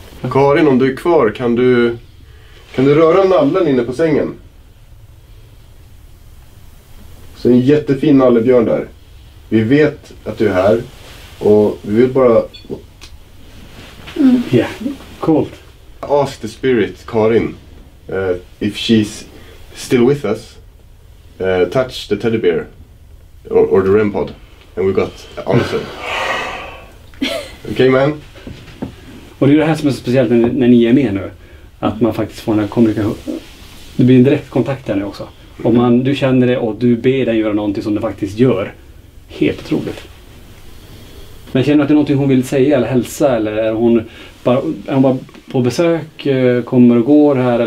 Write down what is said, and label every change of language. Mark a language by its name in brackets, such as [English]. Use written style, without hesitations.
[Swedish] Karin, om du är kvar, kan du röra nallen inne på sängen? Så en jättefin nallebjörn där. Vi vet att du är här och vi vill bara... [English] Yeah, cool. Ask the spirit, Karin, if she's still with us, touch the teddy bear or the REM pod and we got answer. Okay, man? [Swedish] Och det är det här som är speciellt när ni är med nu. Att man faktiskt får den här kommunikation. Det blir en direkt kontakt där nu också. Om du känner det och du ber den göra någonting som den faktiskt gör. Helt otroligt. Men känner du att det är någonting hon vill säga eller hälsa? Eller är hon bara på besök, kommer och går här?